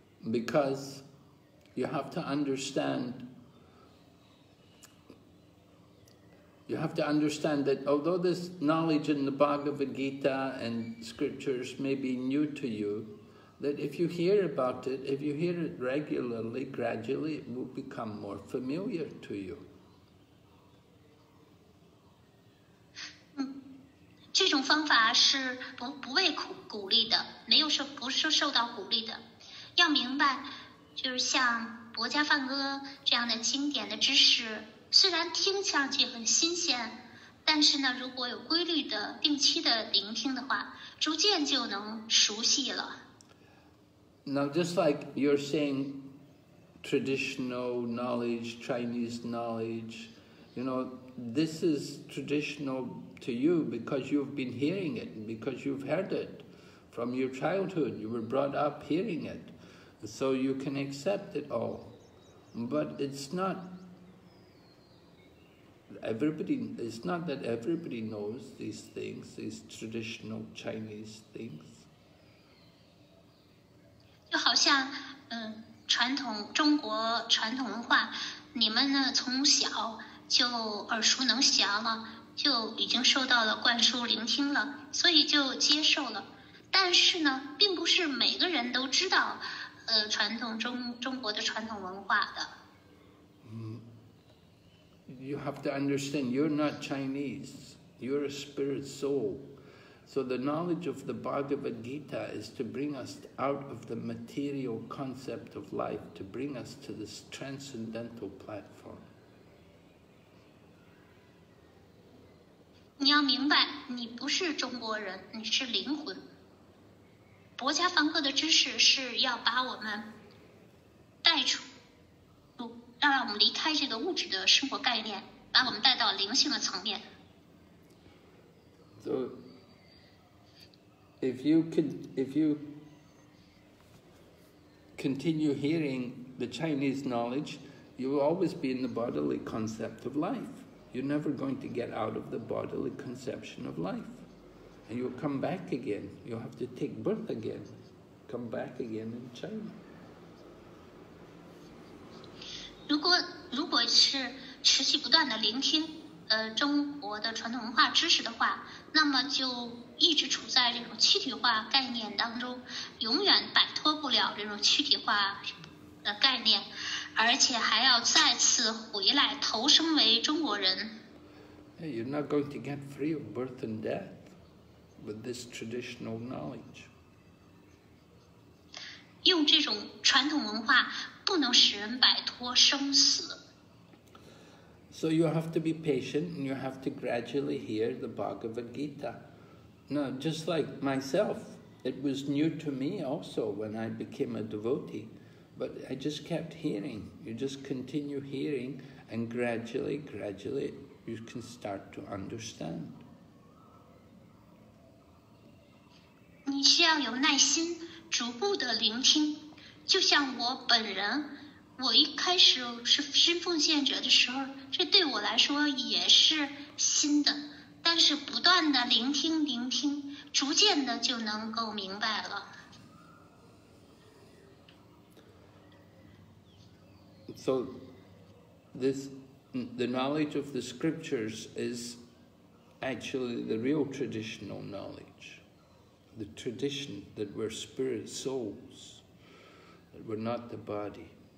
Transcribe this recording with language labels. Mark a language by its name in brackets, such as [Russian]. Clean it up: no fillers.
[English] Because you have to understand, that although this knowledge in the Bhagavad Gita and scriptures may be new to you, that if you hear about it, if you hear it regularly, gradually, it will become more familiar to you. [Chinese] 这种方法是不被鼓励的，没有说不是受到鼓励的。要明白，就是像《薄伽梵歌》这样的经典的知识，虽然听上去很新鲜，但是呢，如果有规律的、定期的聆听的话，逐渐就能熟悉了。 [English] Now, just like you're saying, traditional knowledge, Chinese knowledge, you know, this is traditional. To you, because you've been hearing it, because you've heard it from your childhood, you were brought up hearing it, so you can accept it all. But it's not that everybody knows these things, these traditional Chinese things. [Chinese] 就好像，传统中国传统文化，你们呢从小就耳熟能详了。就已经受到了灌输聆听了，所以就接受了。但是呢，并不是每个人都知道传统中国的传统文化的。 [English] You have to understand, you're not Chinese. You're a spirit soul. So the knowledge of the Bhagavad Gita is to bring us out of the material concept of life, to bring us to this transcendental platform. [Chinese] 你要明白，你不是中国人，你是灵魂。薄伽梵歌的知识是要把我们带出，让我们离开这个物质的生活概念，把我们带到灵性的层面。 [English] So, if you continue hearing the Chinese knowledge, you will always be in the bodily concept of life. You're never going to get out of the bodily conception of life. And you'll come back again. You'll have to take birth again. Come back again in China. [Chinese] 如果是持续不断的聆听中国的传统文化知识的话，那么就一直处在这种躯体化概念当中，永远摆脱不了这种躯体化的概念，而且还要再次回来投生为中国人。 [English] Hey, you're not going to get free of birth and death with this traditional knowledge. [Chinese] 用这种传统文化不能使人摆脱生死。 [English] So you have to be patient and you have to gradually hear the Bhagavad Gita. Now, just like myself, it was new to me also when I became a devotee, but I just kept hearing. You just continue hearing and gradually, you can start to understand. [Chinese] 你需要有耐心，逐步的聆听，就像我本人。我一开始是新奉献者的时候，这对我来说也是新的，但是不断的聆听，逐渐的就能够明白了。 [English] So, this, the knowledge of the scriptures is actually the real traditional knowledge, the tradition that we're spirit souls, that we're not the body.